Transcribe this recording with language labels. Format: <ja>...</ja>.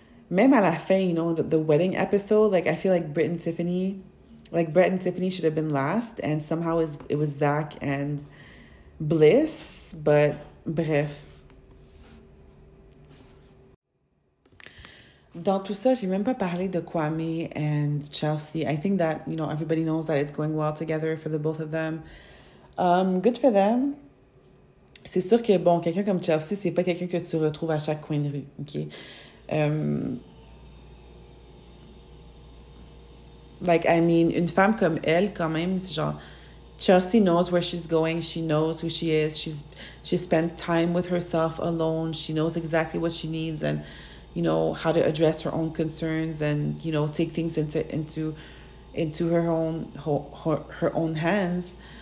<fr>Même à la fin,</fr> <en>you know, the wedding episode, like, I feel like Brett and Tiffany should have been last, and somehow it was Zach and Bliss, but bref.</en> <fr>Dans tout ça, j'ai même pas parlé de Kwame and Chelsea.</fr> <en>I think that, you know, everybody knows that it's going well together for the both of them. Good for them.</en> <fr>C'est sûr que, bon, quelqu'un comme Chelsea, c'est pas quelqu'un que tu retrouves à chaque coin de rue, OK?</fr> <en>Like, I mean,</en> <fr>une femme comme elle, quand même, c'est genre,</fr> <en>Chelsea knows where she's going, she knows who she is, she's spent time with herself alone, she knows exactly what she needs and, you know, how to address her own concerns and, you know, take things into her own hands.</en>